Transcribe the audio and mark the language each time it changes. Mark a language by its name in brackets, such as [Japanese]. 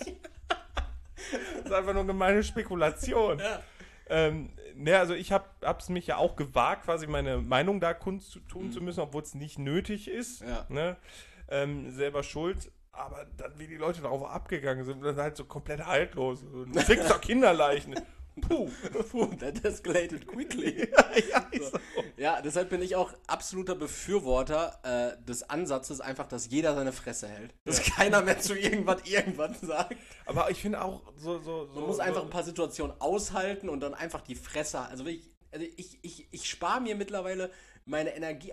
[German] Das ist einfach nur gemeine Spekulation. Ja. Ne, also ich habe es mich ja auch gewagt, quasi meine Meinung da kundzutun zu müssen, obwohl es nicht nötig ist, Ja. ne? Selber schuld. Aber dann, wie die Leute darauf abgegangen sind, das ist halt so komplett haltlos. Du fickst doch Kinderleichen. [English] Puh, that escalated quickly. [German] Ja, deshalb bin ich auch absoluter Befürworter des Ansatzes, einfach, dass jeder seine Fresse hält. Dass keiner mehr zu irgendwas irgendwann sagt. Aber ich finde auch so. Man muss einfach ein paar Situationen aushalten und dann einfach die Fresse. Also ich spare mir mittlerweile meine Energie.